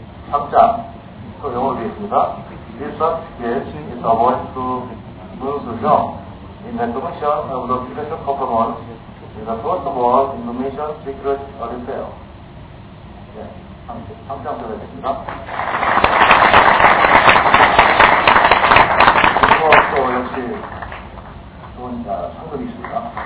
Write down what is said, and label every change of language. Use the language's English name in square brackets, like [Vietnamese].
[Korean] 3장, 또 영어로 되어있습니다. [English] This certificate is awarded to 문수정 in recognition of the professional performance in the first world information security audit fair. [Korean] 네, 3장 되겠습니다. 그리고 또 역시 좋은 상금이 있습니다.